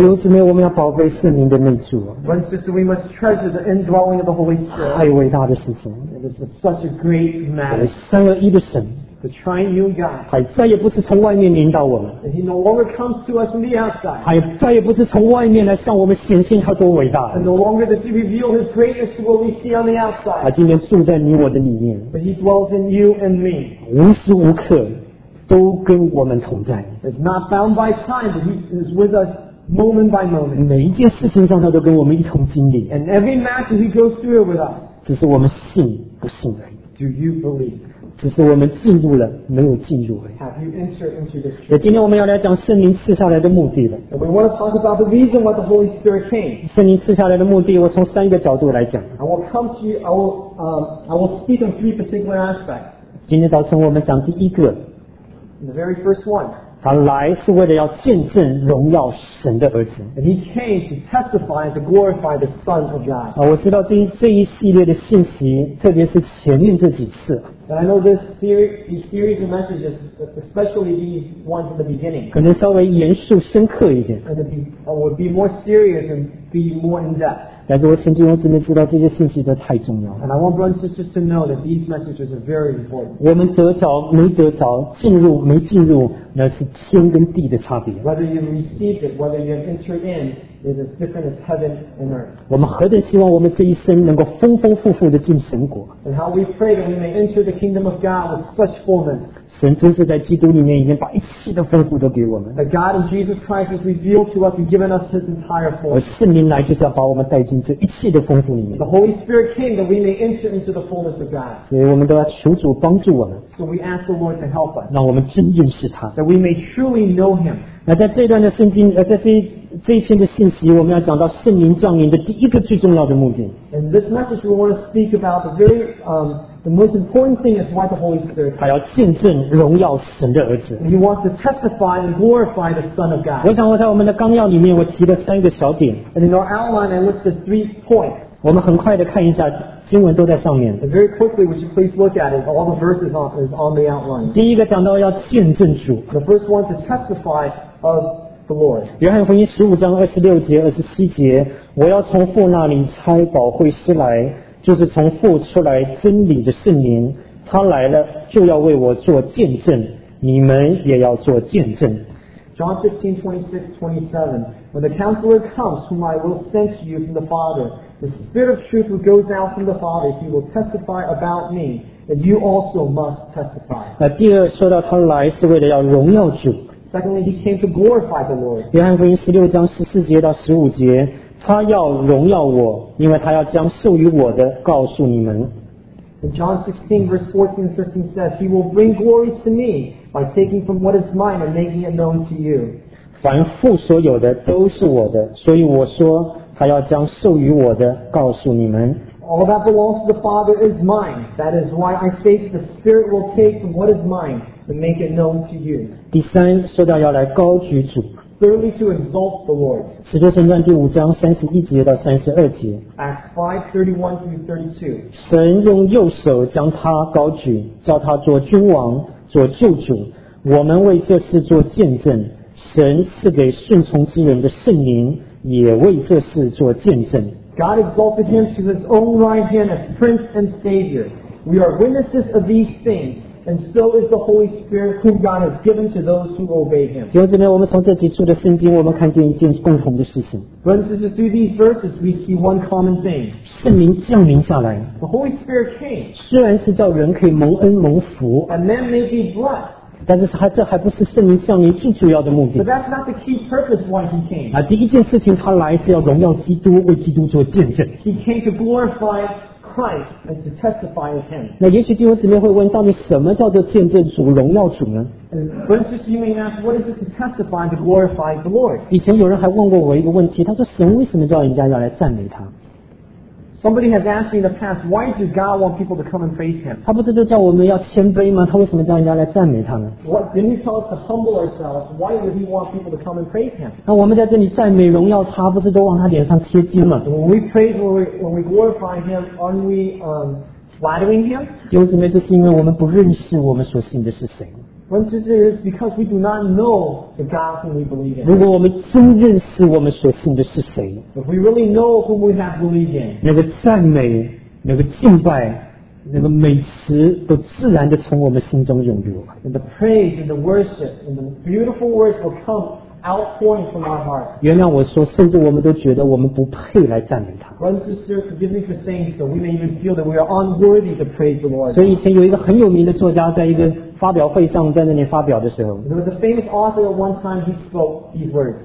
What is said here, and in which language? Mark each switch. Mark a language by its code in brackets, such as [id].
[zh] 弟兄姊妹我们要宝贝圣灵的内住 [en] One sister we must treasure the indwelling of the Holy Spirit [zh] 太伟大的事情 [en] It is such a great matter [zh] 三而一的神 [en] The triune God. [zh] 他再也不是从外面领导我们。 [en] And he no longer comes to us from the outside. [zh] 他再也不是从外面来向我们显现他多伟大。 [en] And no longer does he reveal his greatness to what we see on the outside. [zh] 他今天住在你我的里面。 [en] But he dwells in you and me. [zh] 无时无刻都跟我们同在。 [en] It's not bound by time, but he is with us. Moment by moment. [zh] 每一件事情上他都跟我们一同经历。 [en] And every matter he goes through with us. [zh] 只是我们信不信而已。 [en] Do you believe? [zh] 只是我们进入了没有进入而已。 [en] Have you entered into this truth? [zh] 今天我们要来讲圣灵赐下来的目的了。 [en] And we want to talk about the reason why the Holy Spirit came. [zh] 圣灵赐下来的目的我从三个角度来讲。 [en] I will speak in three particular aspects. [zh] 今天早晨我们讲第一个。 [en] The very first one. [zh] 他来是为了要见证荣耀神的儿子。 [en] And he came to testify and to glorify the Son of God. [zh] 我知道这一系列的信息，特别是前面这几次。 [en] And I know these series of messages, especially these ones in the beginning. [zh] 可能稍微严肃深刻一点。 [en] And would be more serious and be more in depth. [zh] 但是我请弟兄姊妹知道这些信息都太重要了。 [en] And I want brothers and sisters to know that these messages are very important. [zh] 我们得着没得着，进入没进入，那是天跟地的差别。 [en] Whether you received it, whether you have entered in, is as different as heaven and earth. [zh] 我们何等希望我们这一生能够丰丰富富的进神国。 [en] And how we pray that we may enter the kingdom of God with such fullness. [zh] 神真是在基督里面已经把一切的丰富都给我们。 [en] That God in Jesus Christ has revealed to us and given us His entire fullness. [zh] 圣灵来就是要把我们带进这一切的丰富里面。 [en] The Holy Spirit came that we may enter into the fullness of God. [zh] 所以我们都要求主帮助我们。 [en] So we ask the Lord to help us. [zh] 让我们真认识他。 [en] That we may truly know Him. [zh] 那在这段的圣经，在这一篇的信息，我们要讲到圣灵降临的第一个最重要的目的。 [en] And this message we want to speak about the very The most important thing is why the Holy Spirit. [zh] 他要见证荣耀神的儿子。 [en] He wants to testify and glorify the Son of God. [zh] 我想我在我们的纲要里面我提了三个小点。 [en] And in our outline, I listed three points. [zh] 我们很快的看一下经文都在上面。 [en] And very quickly, would you please look at it? All the verses is on the outline. [zh] 第一个讲到要见证主。 [en] The first one to testify of the Lord. [zh] 约翰福音十五章二十六节、二十七节，我要从父那里差保惠师来，就是从父出来真理的圣灵，他来了就要为我做见证，你们也要做见证。 [en] John 15:26-27, when the Counselor comes, whom I will send to you from the Father, the Spirit of truth who goes out from the Father, he will testify about me, and you also must testify. [zh] 那第二说到他来是为了要荣耀主。 [en] Secondly, he came to glorify the Lord. [zh] 约翰福音十六章十四节到十五节，他要荣耀我，因为他要将授予我的告诉你们。 [en] And John 16:14-15 says, he will bring glory to me by taking from what is mine and making it known to you. [zh] 凡父所有的都是我的，所以我说他要将授予我的告诉你们。 [en] All that belongs to the Father is mine. That is why I say the Spirit will take from what is mine and make it known to you. [zh] 第三，说到要来高举主。 [en] Thirdly, to exalt the Lord. [zh] 使徒行传第五章三十一节到三十二节。 [en] Acts 5:31-32. [zh] 神用右手将他高举，叫他做君王，做救主。我们为这事做见证，神赐给顺从之人的圣灵，也为这事做见证。 [en] God exalted him to his own right hand as Prince and Savior. We are witnesses of these things, and so is the Holy Spirit whom God has given to those who obey him. [zh] 弟兄姊妹，我们从这几处的圣经，我们看见一件共同的事情。 [en] Friends, as through these verses, we see one common thing. [zh] 圣灵降临下来。 [en] The Holy Spirit came. [zh] 虽然是叫人可以蒙恩蒙福。 [en] And man may be blessed. [zh] 但是还这还不是圣灵降临最主要的目的。 [en] But that's not the key purpose why he came. [zh] 啊，第一件事情他来是要荣耀基督，为基督做见证。 [en] He came to glorify Christ and to testify of him. [zh] 那也许弟兄姊妹会问，到底什么叫做见证主、荣耀主呢？ [en] For instance, you may ask, what is it to testify to glorify the Lord? [zh] 以前有人还问过我一个问题，他说神为什么叫人家要来赞美他？ [en] Somebody has asked me in the past, why does God want people to come and praise Him? [zh] 他不是就叫我们要谦卑吗？他为什么叫人家来赞美他呢？ [en] What, didn't He tell us to humble ourselves? Why would He want people to come and praise Him? [zh] 那我们在这里赞美荣耀他，不是都往他脸上贴金吗？ [en] When we praise, when we glorify Him, aren't we flattering Him? [zh] 弟兄姊妹，这是因为我们不认识我们所信的是谁。 [en] When this is because we do not know the God whom we believe in. [zh] 如果我们真认识我们所信的是谁， [en] If we really know whom we have believed in, [zh] 那个赞美、那个敬拜、那个美词都自然地从我们心中涌入。 [en] And the praise and the worship and the beautiful words will come outpouring from our hearts. [zh] 原谅我说，甚至我们都觉得我们不配来赞美他。 [en] When this is, forgive me for saying so, we may even feel that we are unworthy to praise the Lord. [zh] 所以以前有一个很有名的作家，在一个发表会上在那里发表的时候， [en] There was a famous author at one time, he spoke these words.